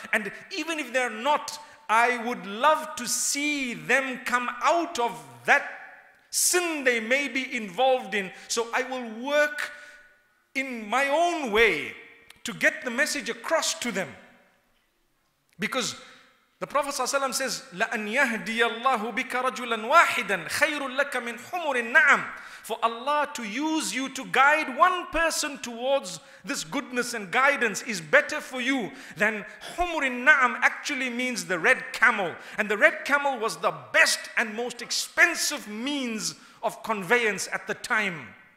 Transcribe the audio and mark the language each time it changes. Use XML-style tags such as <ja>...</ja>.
<en>And even if they're not, I would love to see them come out of that sin they may be involved in. So I will work in my own way to get the message across to them. Because the Prophet ﷺ says,</en> <ar>لَأَنْ يَهْدِيَ اللَّهُ بِكَ رَجُلًا وَاحِدًا خَيْرٌ لَكَ مِنْ حُمُرٍ نَعَمٍ.</ar> <en>For Allah to use you to guide one person towards this goodness and guidance is better for you than</en> <ar>حُمُرٍ نَعَمٍ,</ar> <en>actually means the red camel. And the red camel was the best and most expensive means of conveyance at the time.</en>